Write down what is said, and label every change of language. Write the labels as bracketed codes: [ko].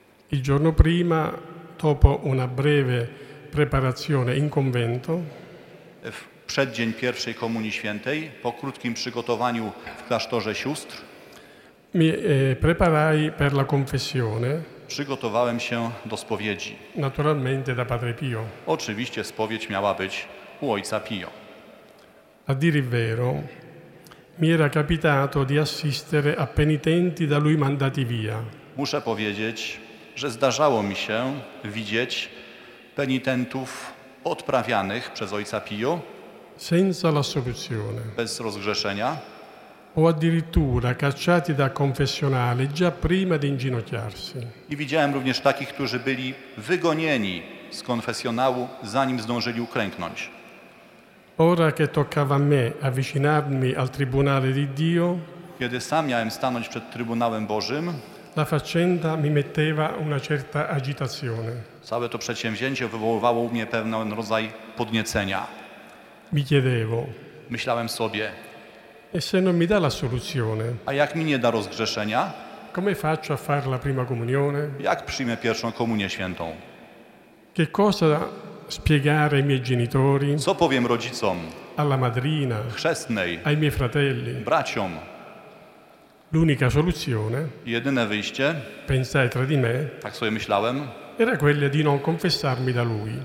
[it] Il giorno prima, dopo una breve preparazione in convento, [pl] przed dzień pierwszej komunii świętej, po krótkim przygotowaniu w klasztorze sióstr, [it] mi preparai per la confessione. [pl] Przygotowałem się do spowiedzi. [it] Naturalmente da Padre Pio. [pl] Oczywiście spowiedź miała być u ojca Pio. [it] A dire il vero, mi era capitato di assistere a penitenti da lui mandati via. [pl] Muszę powiedzieć, że zdarzało mi się widzieć penitentów odprawianych przez ojca Pio. [it] Senza la soluzione. [pl] Bez rozgrzeszenia. [it] O addirittura cacciati da confessionale già prima di inginocchiarsi. [pl] I widziałem również takich, którzy byli wygonieni z konfesjonału, zanim zdążyli uklęknąć. [it] Ora che toccava a me avvicinarmi al tribunale di Dio, [pl] kiedy sam miałem stanąć przed Trybunałem Bożym, [it] la faccenda mi metteva una certa agitazione. [pl] Całe to przedsięwzięcie wywoływało u mnie pewien rodzaj podniecenia. [it] Mi chiedevo. [pl] Myślałem sobie. [it] E se non mi dà la soluzione? [pl] A jak mi nie da rozgrzeszenia? [it] Come faccio a fare la prima comunione? [pl] Jak przyjmę pierwszą komunię świętą? [it] Che cosa spiegare ai miei genitori? [pl] Co powiem rodzicom? [it] Alla madrina? [pl] Chrzestnej? [it] Ai miei fratelli? [pl] Braciom? [it] L'unica soluzione? [pl] Jedyne wyjście? [it] Pensai tra di me? [pl] Tak sobie myślałem. [it] Era quella di non confessarmi da lui.